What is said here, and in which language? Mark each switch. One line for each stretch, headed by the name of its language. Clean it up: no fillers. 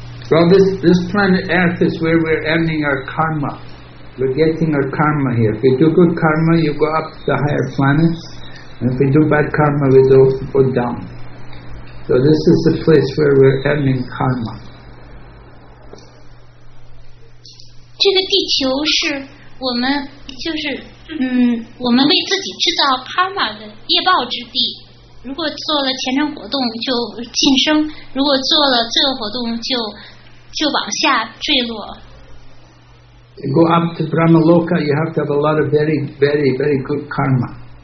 English: Well, this planet Earth is where we're earning our karma. We're getting our karma here. If we do good karma, you go up to the higher planets, and if we do bad karma, we go down. So this is the place where we're earning karma.
Chinese: 这个地球是我们就是我们为自己制造 karma 的业报之地。如果做了前程活动就晋升，如果做了罪恶活动就往下坠落。
English: You go up to Brahma Loka, you have to have a lot of very, very, very good karma.